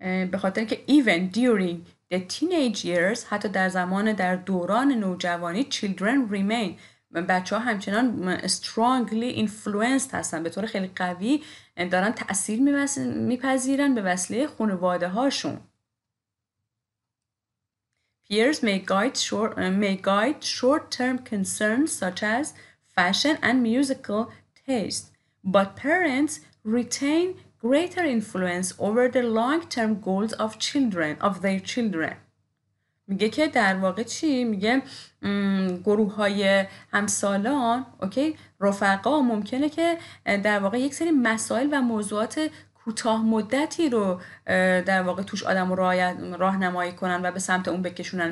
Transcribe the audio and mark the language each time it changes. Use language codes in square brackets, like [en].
[fa] به خاطر که [en] even during the teenage years، [fa] حتی در زمان در دوران نوجوانی، [en] children remain، [fa] بچه ها همچنان [en] strongly influenced [fa] هستن، به طور خیلی قوی دارن تأثیر میپذیرن به وسیله خانواده هاشون. [en] Peers may guide short term concerns such as fashion and musical taste, but parents retain greater influence over the long term goals of children of their children. [fa] میگه که در واقع چی؟ میگه گروه های همسالان، اوکی، رفقا ممکنه که در واقع یک سری مسائل و موضوعات کوتاه مدتی رو در واقع توش آدم راهنمایی کنن و به سمت اون بکشونن.